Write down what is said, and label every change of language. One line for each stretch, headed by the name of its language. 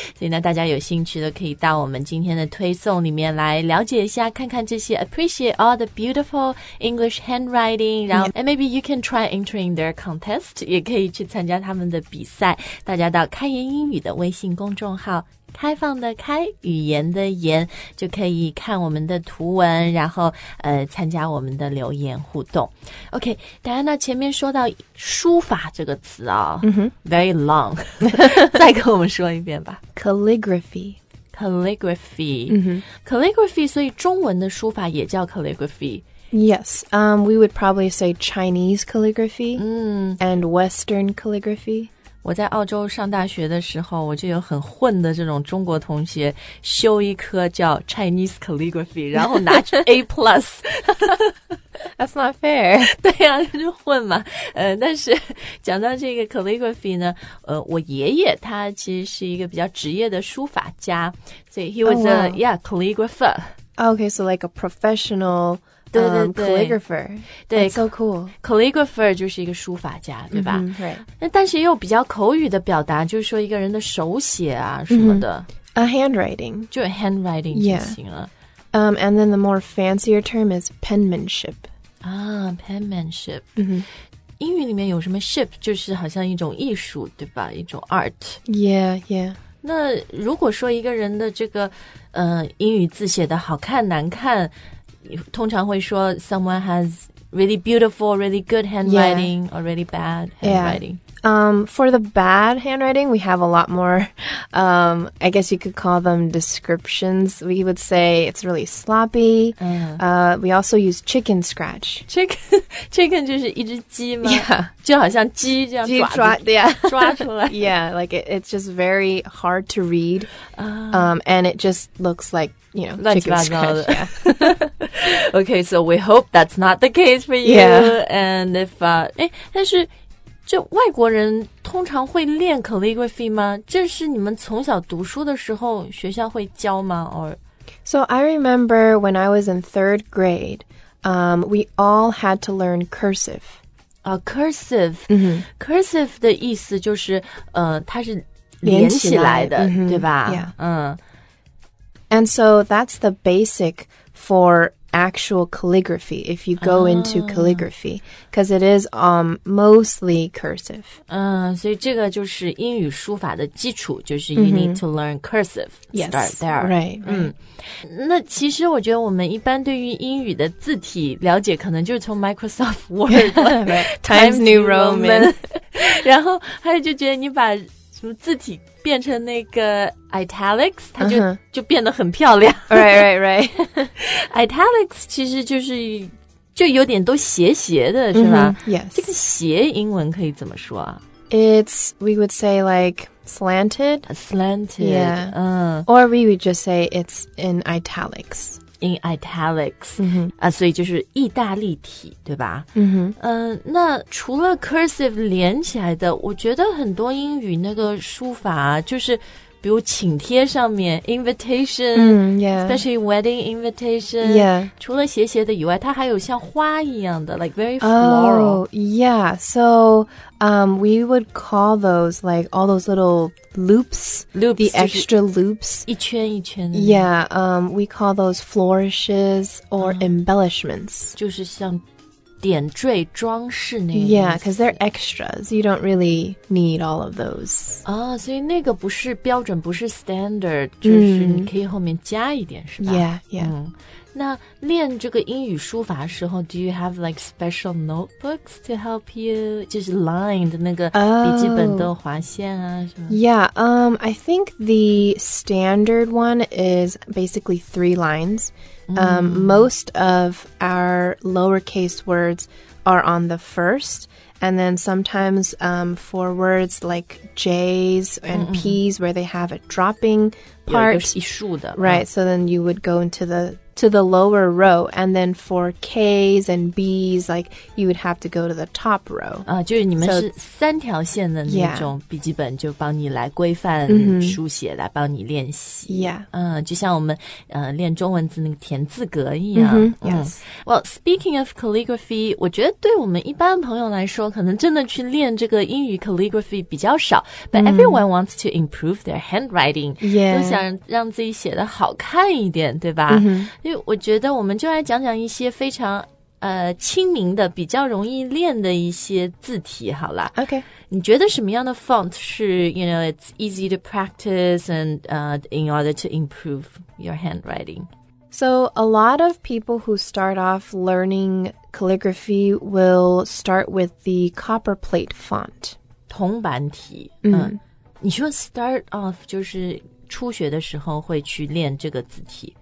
Chinese: 所以呢大家有兴趣的可以到我们今天的推送里面来了解一下看看这些
English: appreciate all the beautiful English handwriting,
Chinese: 然后、yeah.
English: and maybe you can try entering their contest,
Chinese: 也可以去参加他们的比赛大家到开言英语的微信公众号开放的开语言的言就可以看我们的图文然后参加我们的留言互动 OK Diana 前面说到书法这个词哦、 mm-hmm.
English: Very long
Chinese: 再跟我们说一遍吧
English: Calligraphy Calligraphy、 mm-hmm.
Chinese: Calligraphy 所以中文的书法也叫 Calligraphy
English: Yes、We would probably say Chinese calligraphy、 mm. And Western calligraphy
Chinese: 我在澳洲上大学的时候我就有很混的这种中国同学修一科叫 Chinese Calligraphy 然后拿去 A+.
English: That's not fair.
Chinese: 对啊就混嘛。但是讲到这个 Calligraphy 呢我爷爷他其实是一个比较职业的书法家。所以
English: he was、 oh, wow. a, yeah, calligrapher. Okay, so like a professional...
Chinese: 对对对
English: calligrapher.
Chinese: 对
English: so cool.
Chinese: Calligrapher 就是一个书法家对吧、
English: mm-hmm, right.
Chinese: 那但是也有比较口语的表达就是说一个人的手写啊什么的。
English: Mm-hmm. A handwriting.
Chinese: 就 handwriting 就行了。
English: Yeah. And then the more fancier term is penmanship. 啊 penmanship.、 Mm-hmm.
Chinese: 英语里面有什么 ship 就是好像一种艺术对吧一种 art.
English: Yeah, yeah.
Chinese: 那如果说一个人的这个、英语字写得好看难看通常会说
English: someone has really beautiful, really good handwriting、 yeah. or really bad handwriting.、 Yeah. For the bad handwriting, we have a lot more,、I guess you could call them descriptions. We would say it's really sloppy.、We also use chicken scratch.
Chinese: Chicken 就是一只鸡吗
English: Yeah.
Chinese: 就好像鸡这样爪子
English: yeah.
Chinese: 抓出来。
English: Yeah, like it's just very hard to read.、and it just looks like,you know, chicken scratch. Yeah. Okay, so we hope that's not the case for you. Yeah. And if,
Chinese: 但是这外国人通常会练 calligraphy 吗？这是你们从小读书的时候学校会教吗 ？Or
English: so I remember when I was in third grade, we all had to learn cursive. Cursive.、 Mm-hmm.
Chinese: Cursive 的意思就是，它是连起来的，来 mm-hmm. 对吧？
English: Yeah. 嗯。 And so that's the basic for. Actual calligraphy, if you go into calligraphy, because it is mostly cursive.
Chinese: 所以这个就是英语书法的基础，就是
English: you need to learn cursive. Yes, start there. Right.
Chinese: 那其实我觉得我们一般对于英语的字体了解，可能就是从 Microsoft Word,
English: right, Times New Roman,
Chinese: 然后还有就觉得你把什么字体变成那个 italics 它就、 uh-huh. 就变得很漂亮
English: right right right
Chinese: italics 其实就是就有点都斜斜的是吧、
English: mm-hmm. yes
Chinese: 这个斜英文可以怎么说啊
English: it's we would say like slanted slanted yeah or we would just say it's in italics in italics,、 mm-hmm.
Chinese: 啊、所以就是意大利体，对吧？嗯、mm-hmm. 那除了 cursive 连起来的，我觉得很多英语那个书法、啊、就是比如请帖上面 invitation、
English: mm-hmm. yeah. especially wedding invitation、 yeah.
Chinese: 除了斜斜的以外，它还有像花一样的
English: like very floral、 oh, yeah, soWe would call those like all those little loops, the extra loops.
Chinese: 一圈一圈的。
English: Yeah, we call those flourishes or、uh-huh. embellishments.
Chinese: 就是像点缀装饰那样。
English: Yeah, because they're extras. You don't really need all of those.
Chinese: 啊、
English: oh,
Chinese: ，所以那个不是标准，不是 standard， 就是你可以后面加一点，是吧
English: ？Yeah, yeah.、
Chinese: 嗯那练这个英语书法的时候
English: do you have like special notebooks to help you?
Chinese: 就是 lined 那个笔记本的划线啊、
English: oh, Yeah, I think the standard one is basically three lines.、Mm. Most of our lowercase words are on the first. And then sometimes for words like J's and P's、mm-hmm. where they have a dropping part.
Chinese: 有一个一竖的。
English: Right,、mm. so then you would go into the lower row, and then for K's and B's, like, you would have to go to the top row.
Chinese: 啊、就是你们是三条线的那种笔记本就帮你来规范书写、 mm-hmm. 来帮你练习。
English: Yeah.、
Chinese: 就像我们、练中文字那个田字格一样。 Mm-hmm. 嗯、
English: yes. Well, speaking of calligraphy,
Chinese: 我觉得对我们一般朋友来说可能真的去练这个英语 calligraphy 比较少 but、mm-hmm.
English: everyone wants to improve their handwriting. Yeah.
Chinese: 都想让自己写得好看一点对吧、 mm-hmm. 因为我觉得我们就来讲讲一些非常亲民的比较容易练的一些字体好了
English: OK
Chinese: 你觉得什么样的
English: font 是 you know it's easy to practice and in order to improve your handwriting So a lot of people who start off learning calligraphy will start with the copper plate font
Chinese: 铜板体、 mm-hmm. 你说 start off 就是初学的时候会去练这个字体